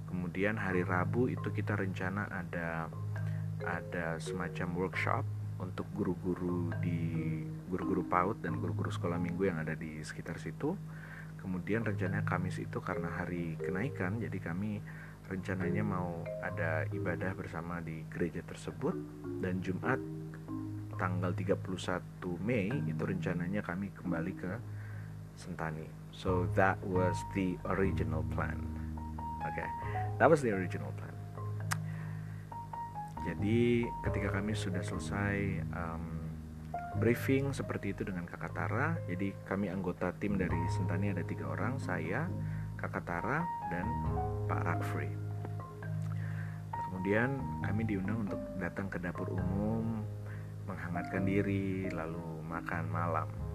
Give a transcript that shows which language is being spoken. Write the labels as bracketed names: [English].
[Indonesian] Kemudian hari Rabu itu kita rencana ada semacam workshop untuk guru-guru PAUD dan guru-guru sekolah minggu yang ada di sekitar situ. Kemudian rencananya Kamis itu karena hari kenaikan, jadi kami rencananya mau ada ibadah bersama di gereja tersebut. Dan Jumat tanggal 31 Mei itu rencananya kami kembali ke Sentani. [English] So that was the original plan. Okay. That was the original plan. [Indonesian] Jadi ketika kami sudah selesai briefing seperti itu dengan Kakak Tara, jadi kami anggota tim dari Sentani ada 3 orang, saya, Kakak Tara, dan Pak Rakfri. Kemudian kami diundang untuk datang ke dapur umum, menghangatkan diri, lalu makan malam.